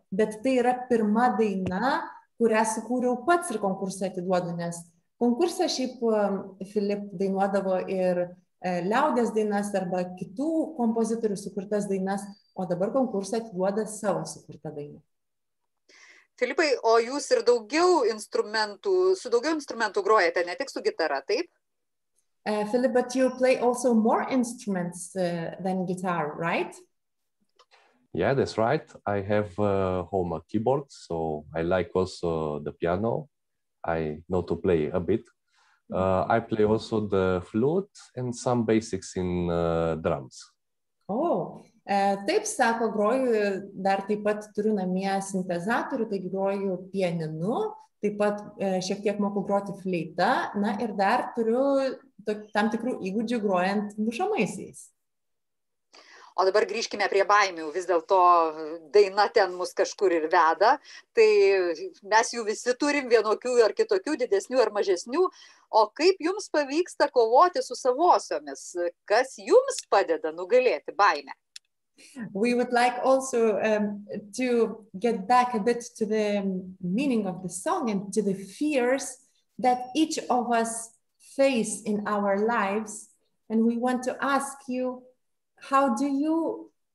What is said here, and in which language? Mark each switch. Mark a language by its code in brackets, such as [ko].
[lt] Bet tai yra pirma daina, kurią sukūriau pats ir konkursą atiduodu, nes konkursą šiaip Filip dainuodavo ir liaudės dainas arba kitų kompozitorių sukurtas dainas, o dabar konkursą atiduoda savo sukurtą dainą. Filipai, o jūs ir daugiau instrumentų, su daugiau instrumentų grojate, ne tik su gitara, taip? [en] Filip, but you play also more instruments than guitar, right? Yeah, that's right. I have home a keyboard, so I like also the piano. I know to play a bit. I play also the flute and some basics in drums. [lt] Oh, taip sako, groju dar taip pat turiu namie sintezatorių, taigi groju pianinu, taip pat šiek tiek moku groti fleitą, na ir dar turiu tam tikrų įgūdžių grojant mušamaisiais. O dabar grįžkime prie baimių, vis dėlto daina ten mus kažkur ir veda, tai mes jų visi turim vienokių ar kitokių, didesnių ar mažesnių, o kaip jums pavyksta kovoti su savosiomis, kas jums padeda nugalėti baimę? [en] We would like also to get back a bit to the meaning of the song and to the fears that each of us face in our lives, and we want to ask you, how do you